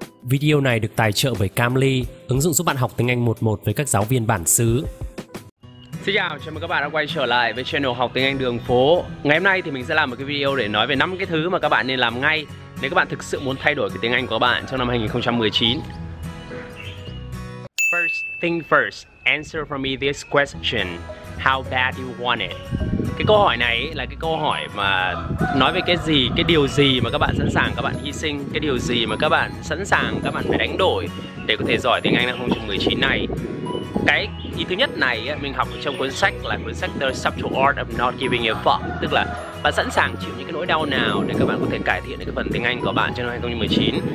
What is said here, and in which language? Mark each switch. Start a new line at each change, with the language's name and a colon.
Vietnamese: Video này được tài trợ bởi Cambly, ứng dụng giúp bạn học tiếng Anh 1:1 với các giáo viên bản xứ. Xin chào, chào mừng các bạn đã quay trở lại với channel Học Tiếng Anh Đường Phố. Ngày hôm nay thì mình sẽ làm một cái video để nói về 5 cái thứ mà các bạn nên làm ngay nếu các bạn thực sự muốn thay đổi cái tiếng Anh của bạn trong năm 2019.
English: First thing first, answer for me this question. How bad you want it?
Vietnamese: Cái câu hỏi này là cái câu hỏi mà nói về cái gì, cái điều gì mà các bạn sẵn sàng các bạn hy sinh, cái điều gì mà các bạn sẵn sàng các bạn phải đánh đổi để có thể giỏi tiếng Anh năm 2019 này. Cái ý thứ nhất này mình học trong cuốn sách là cuốn sách The Subtle Art of Not Giving a Fuck, tức là bạn sẵn sàng chịu những cái nỗi đau nào để các bạn có thể cải thiện được cái phần tiếng Anh của bạn trong năm 2019.